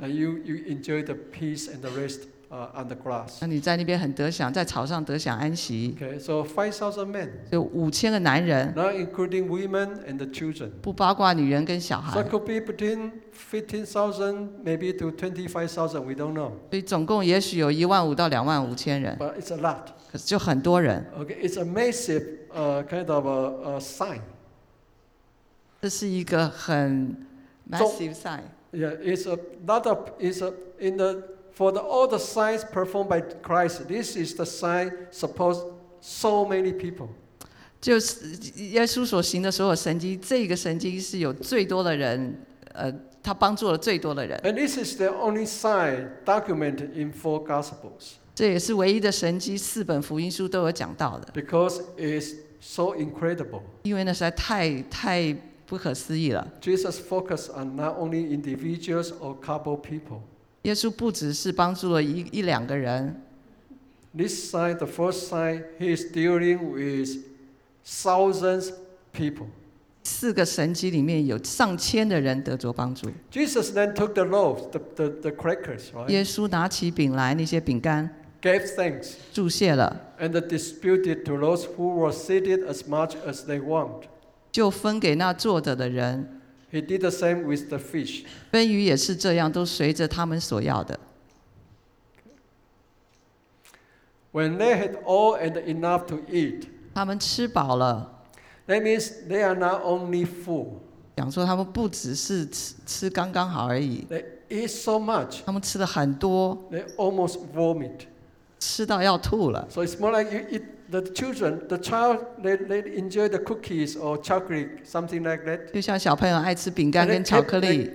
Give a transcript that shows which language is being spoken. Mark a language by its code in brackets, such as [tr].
[en] And you enjoy the peace and the rest on the grass. [zh] 那你在那边很得享，在草上得享安息。 [en] Okay, so 5,000 men. [zh] 就五千个男人。 [en] Not including women and the children. [zh] 不包括女人跟小孩。 [en] So it could be between 15,000, maybe to 25,000, we don't know. [zh] 所以总共也许有15,000-25,000人。 [en] But it's a lot. [zh] 可是就很多人。 [en] Okay, it's a massive kind of a sign. [zh] 这是一个很 [en] massive sign. Yeah, it's a lot of, it's a, in the, for the, all the signs performed by Christ, this is the sign supposed so many people. [zh] 就是耶稣所行的所有神迹，这个神迹是有最多的人他帮助了最多的人。 [en] And this is the only sign documented in four Gospels. [zh] 这也是唯一的神迹，四本福音书都有讲到的。 [en] Because it's so incredible. [zh] 因为那实在太不可思议了。 [en] Jesus focused on not only individuals or couple people. [zh] 耶稣不只是帮助了一两个人。 [en] This sign, the first sign, he is dealing with thousands people. [zh] 四个神迹里面有上千的人得着帮助。 [en] Jesus then took the loaves, the crackers, right? [zh] 耶稣拿起饼来，那些饼干。 [en] Gave thanks. [zh] 祝谢了。 [en] And distributed to those who were seated as much as they want. [zh] 就分给那坐着的人。 [en] He did the same with the fish. [zh] 分鱼也是这样，都随着他们所要的。 [en] When they had all and enough to eat. [zh] 他们吃饱了。 [en] That means they are not only full. [zh] 讲说他们不只是吃刚刚好而已。 [en] They eat so much. [zh] 他们吃了很多。 [en] They almost vomit. [zh] 吃到要吐了。 [en] So it's more like you eat the children, the child, they enjoy the cookies or chocolate, something like that. [zh] 就像小朋友爱吃饼干跟巧克力。